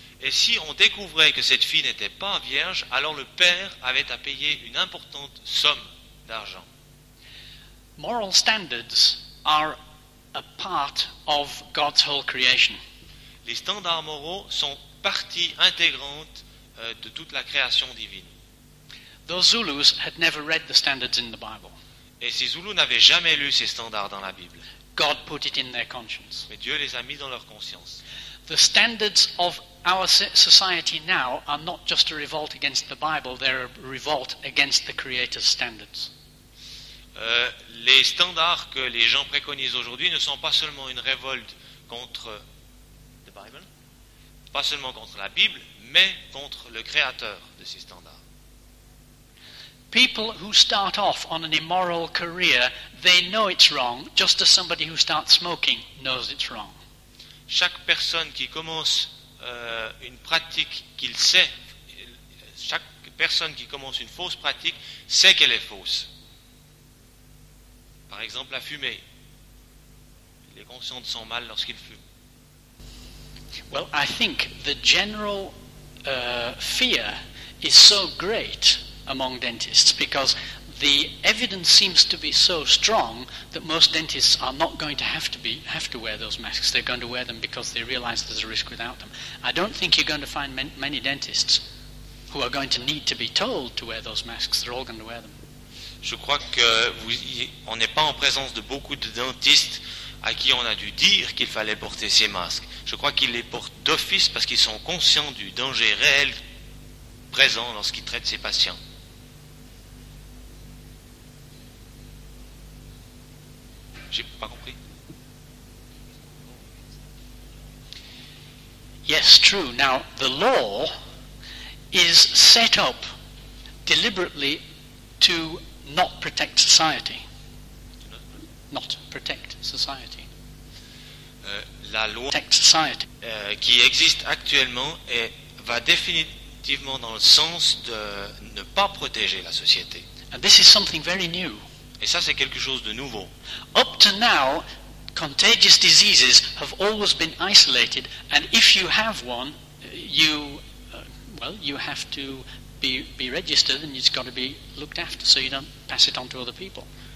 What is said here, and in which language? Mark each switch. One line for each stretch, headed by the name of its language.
French: Et si on découvrait que cette fille n'était pas vierge, alors le père avait à payer une importante somme d'argent.
English: Moral standards are a part of God's whole creation.
French: Les standards moraux sont partie intégrante de toute la création divine.
English: Those Zulus had never read the standards in the Bible.
French: Et ces Zoulous n'avaient jamais lu ces standards dans la Bible.
English: God put it in their conscience.
French: Mais Dieu les a mis dans leur conscience.
English: The standards of our society now are not just a revolt against the Bible, they're a revolt against the Creator's standards.
French: Les standards que les gens préconisent aujourd'hui ne sont pas seulement une révolte contre
English: the Bible,
French: pas seulement contre la Bible, mais contre le Créateur de ces standards.
English: People who start off on an immoral career, they know it's wrong, just as somebody who starts smoking knows it's wrong.
French: Chaque personne qui commence une pratique qu'il sait, chaque personne qui commence une fausse pratique sait qu'elle est fausse. Par exemple, la fumée. Il est conscient de son mal lorsqu'il fume.
English: Well, I think the general fear is so great among dentists because the evidence seems to be so strong that most dentists are not going to have to wear those masks. They're going to wear them because they realize there's a risk without them. I don't think you're going to find many dentists who are going to need to be told to wear those masks. They're all going to wear them.
French: Je crois que on n'est pas en présence de beaucoup de dentistes à qui on a dû dire qu'il fallait porter ces masques. Je crois qu'ils les portent d'office parce qu'ils sont conscients du danger réel présent lorsqu'ils traitent ces patients. J'ai pas compris.
English: Yes, true. Now, the law is set up deliberately to not protect society. Not protect society.
French: La loi
English: protect society.
French: Qui existe actuellement et va définitivement dans le sens de ne pas protéger la société.
English: And this is something very new.
French: Et ça, c'est quelque chose de nouveau.
English: Up to now, contagious diseases have always been isolated, and if you have one, you have to be registered, and it's got to be looked after so you don't pass it on to other people.